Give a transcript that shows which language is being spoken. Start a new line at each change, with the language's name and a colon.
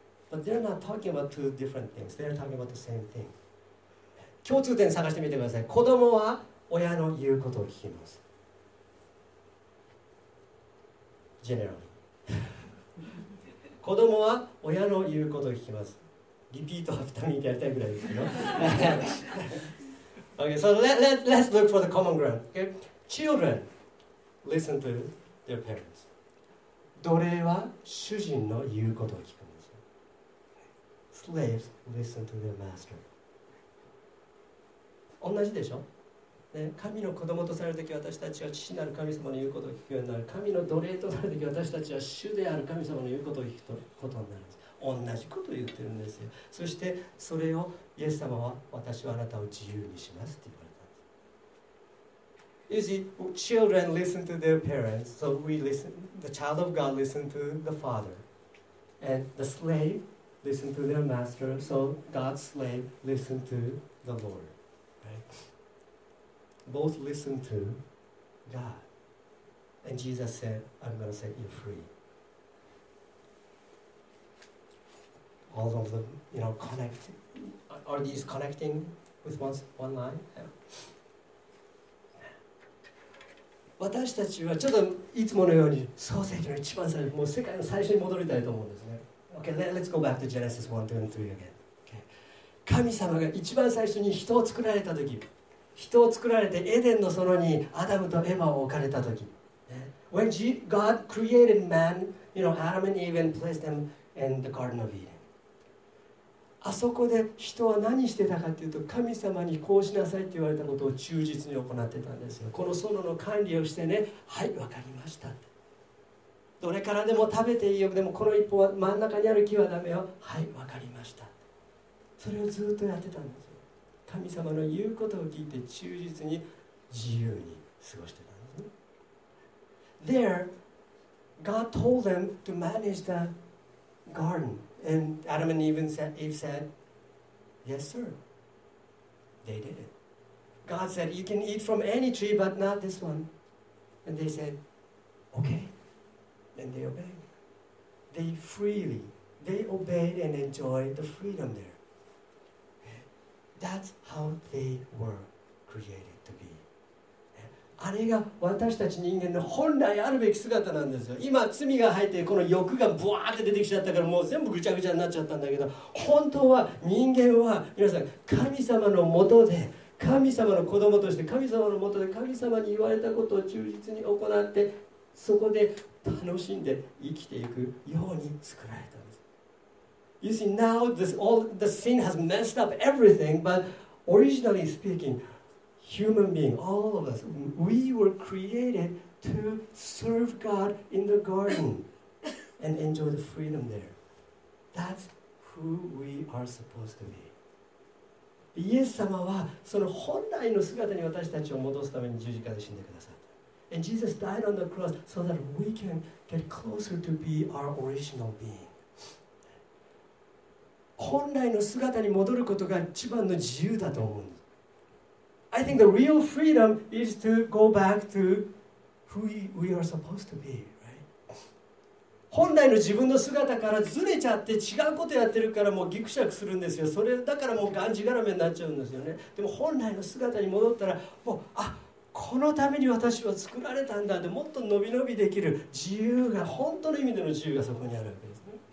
English: But they're not talking about two different things. They're talking about the same thing.
Japanese: 共通点探してみてください。子供は親の言うことを聞きます。
English: Generally.
Japanese: 子供は親の言うことを聞きます。リピートアフターミーやりたいぐらいですよ。
English: Okay, so let's look for the common ground. Okay? Children listen to their parents.
Japanese: 奴隷は主人の言うことを聞くんですよ。
English: Slaves listen to their master.
Japanese: 同じでしょ、ね、神の子供とされるとき私たちは父なる神様の言うことを聞くようになる。神の奴隷となるとき私たちは主である神様の言うことを聞くことになるんです。同じことを言ってるんですよ。そしてそれをイエス様は、私はあなたを自由にしますって言われたんです。
English: You see, children listen to their parents, so we listen, the child of God listen to the father, and the slave listen to their master, so God's slave listen to the Lord, right? Both listen to God. And Jesus said, I'm going to set you free. All of them, you know, connect. Are these connecting with one line? Yeah.
Japanese: 私たちはちょっといつものように創世記の一番最初、もう世界の最初に戻りたいと思うんですね。
English: Okay, let's go back to Genesis 1, 2, and 3 again. Okay.
Japanese: 神様が一番最初に人を作られた時、人を作られてエデンの園にアダムとエヴァを置かれた時、
English: yeah. When God created man, you know, Adam and Eve and placed them in the Garden of Eden.
Japanese: あそこで人は何してたかっていうと、神様にこうしなさいって言われたことを忠実に行ってたんですよ。この園の管理をしてね、はい、わかりましたって。どれからでも食べていいよ、でもこの一本は真ん中にある木はダメよ、はい、わかりましたって。それをずっとやってたんですよ。神様の言うことを聞いて忠実に自由に過ごしてたんですね。
English: there, God told them to manage the garden. And Adam and Eve said, yes, sir. They did it. God said, you can eat from any tree, but not this one. And they said, okay. And they obeyed. They freely, they obeyed and enjoyed the freedom there. That's how they were created to be.
Japanese: あれが私たち人間の本来あるべき姿なんですよ。今罪が入ってこの欲がブワーって出てきちゃったからもう全部ぐちゃぐちゃになっちゃったんだけど、本当は人間は皆さん神様のもとで、神様の子供として、神様のもとで神様に言われたことを忠実に行って、そこで楽しんで生きていくように作られたんです。
English: You see, now this, all the sin has messed up everything, but originally speakingHuman being, all of us, we were created to serve God in the garden and enjoy the freedom there. That's who we are supposed to be.
Japanese: イエス様はその本来の姿に私たちを戻すために十字架で死んでくださった。
English: And Jesus died on the cross so that we can get closer to be our original being.
Japanese: 本来の姿に戻ることが一番の自由だと思うんです。
English: I think the real freedom is to go back to who we are supposed to be, right?
Japanese: 本来の自分の姿からずれちゃって違うことやってるからもうギクシャクするんですよ。それだからもうがんじがらめになっちゃうんですよね。でも本来の姿に戻ったら、もう、あ、このために私は作られたんだって、もっと伸び伸びできる自由が、本当の意味での自由がそこにあるわけですね。